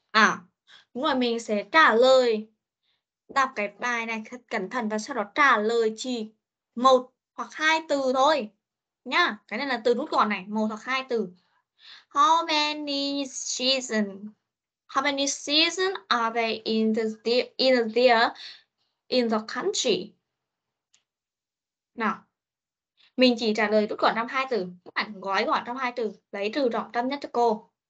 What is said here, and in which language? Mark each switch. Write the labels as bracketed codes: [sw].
[vi] À, đúng rồi, mình sẽ trả lời. Đọc cái bài này thật cẩn thận và sau đó trả lời chỉ một hoặc hai từ thôi. Nhá, cái này là từ rút gọn này. Một hoặc hai từ. [en] How many seasons are there in the country? Nào, [vi] Mình chỉ trả lời rút gọn trong hai từ, các bạn gói gọn trong hai từ, lấy từ trọng tâm nhất cho cô.